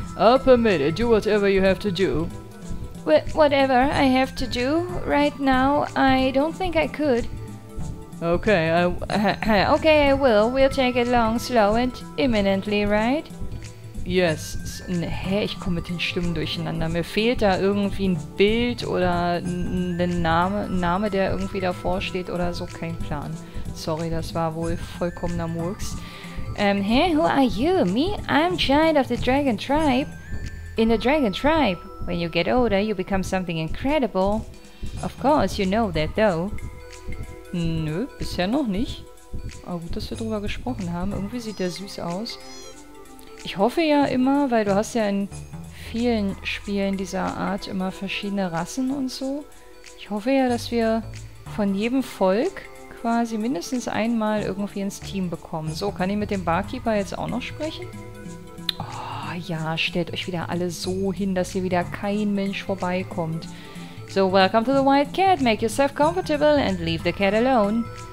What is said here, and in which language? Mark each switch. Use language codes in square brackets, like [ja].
[en] I'll permit it. Do whatever you have to do. Whatever I have to do right now, I don't think I could. Okay, I will. We'll take it long, slow and imminently, right? Yes. [de] Hä, ich komme mit den Stimmen durcheinander. Mir fehlt da irgendwie ein Bild oder ein Name, der irgendwie davor steht oder so. Kein Plan. Sorry, das war wohl vollkommener Murks. [en] Hey, who are you? Me? I'm Child of the Dragon Tribe. In the Dragon Tribe, when you get older, you become something incredible. Of course, you know that, though. [de] Nö, bisher noch nicht. Aber gut, dass wir drüber gesprochen haben. Irgendwie sieht der süß aus. Ich hoffe ja immer, weil du hast ja in vielen Spielen dieser Art immer verschiedene Rassen und so. Ich hoffe ja, dass wir von jedem Volk quasi mindestens einmal irgendwie ins Team bekommen. So, kann ich mit dem Barkeeper jetzt auch noch sprechen? Oh ja, stellt euch wieder alle so hin, dass hier wieder kein Mensch vorbeikommt. [en] So, welcome to the White Cat. Make yourself comfortable and leave the cat alone.